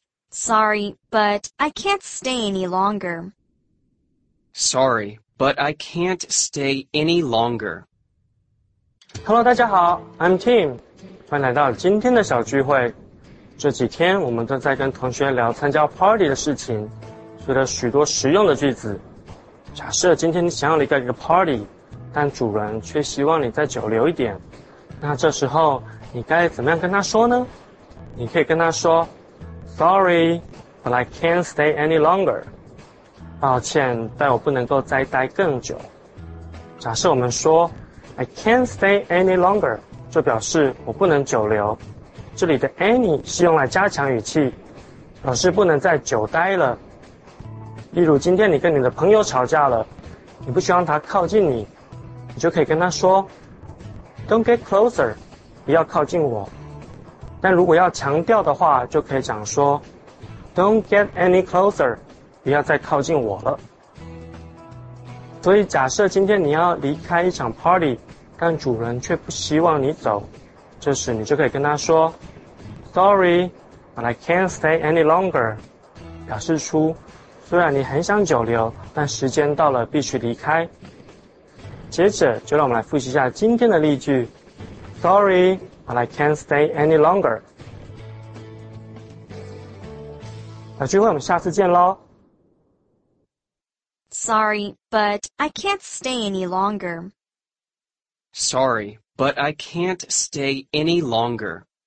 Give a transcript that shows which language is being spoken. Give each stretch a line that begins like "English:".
English: Sorry, but I can't stay any longer. Sorry, but I can't stay any longer. Hello,
Chinese: 大家好 ，
English: I'm Tim，
Chinese: 欢迎来到今天的小聚会。这几天我们都在跟同学聊参加 party 的事情，学了许多实用的句子。假设今天你想要离开一个 party， 但主人却希望你再久留一点，那这时候你该怎么样跟他说呢？你可以跟他说
English: ，Sorry, but I can't stay any longer。
Chinese: 抱歉，但我不能够再待更久。假设我们说 ，
English: I can't stay any longer，
Chinese: 就表示我不能久留。这里的 any 是用来加强语气，表示不能再久待了。例如，今天你跟你的朋友吵架了，你不希望他靠近你，你就可以跟他说 ，
English: Don't get closer。
Chinese: 不要靠近我。但如果要强调的话，就可以讲说
English: Don't get any closer，
Chinese: 不要再靠近我了。所以假设今天你要离开一场 party， 但主人却不希望你走，这时你就可以跟他说
English: Sorry, but I can't stay any longer，
Chinese: 表示出虽然你很想久留，但时间到了必须离开。接着就让我们来复习一下今天的例句。
English: Sorry, but I can't stay any longer.
Chinese: 小聚会，我们下次见咯。
English: Sorry, but I can't stay any longer. Sorry, but I can't stay any longer.